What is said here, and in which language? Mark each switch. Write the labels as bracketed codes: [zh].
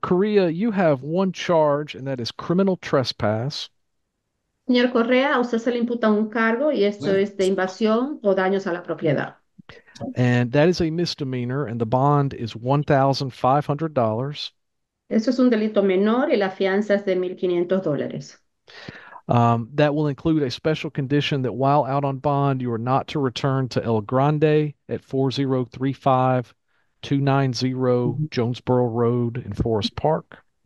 [en] Correa, you have one charge, and that is criminal trespass. [es] Señor Correa, a usted se le imputa un cargo y esto es de invasión o daños a la propiedad. [en] And that is a misdemeanor, and the bond is $1,500. [es] Eso es un delito menor y la fianza es de $1,500. [en] That will include a special condition that while out on bond, you are not to return to El Grande at 4035 290 Jonesboro Road in Forest Park.